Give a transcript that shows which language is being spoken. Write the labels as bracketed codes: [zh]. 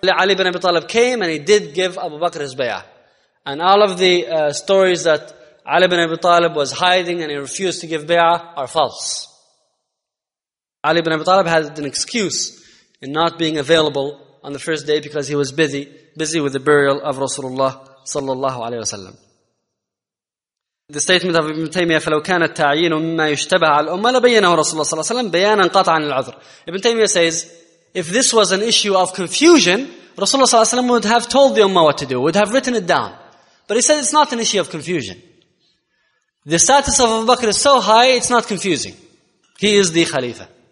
[en] Ali ibn Abi Talib came and he did give Abu Bakr his bay'ah. And all of the stories that Ali ibn Abi Talib was hiding and he refused to give bay'ah are false. Ali ibn Abi Talib had an excuse in not being available on the first day because he was busy with the burial of Rasulullah sallallahu alayhi wa sallam. The statement of Ibn Taymiyyah, [ar] فَلَوْ كَانَ التَّعْيِينُ مِمَّا يُشْتَبَهَ عَلَى الْأُمَّةِ لَبَيَّنَهُ رَسُولُ اللَّهِ صَلَّى اللَّهُ عَلَيْهِ وَسَلَّمَ بَيَانًا قَطْعًا لِلْعُذْرِ. [en] Ibn Taymiyyah says, if this was an issue of confusion, Rasulullah sallallahu alayhi wa sallam would have told the Ummah what to do, would have written it down. But he says it's not an issue of confusion. The status of Abu Bakr is so high, it's not confusing. He is the Khalifa.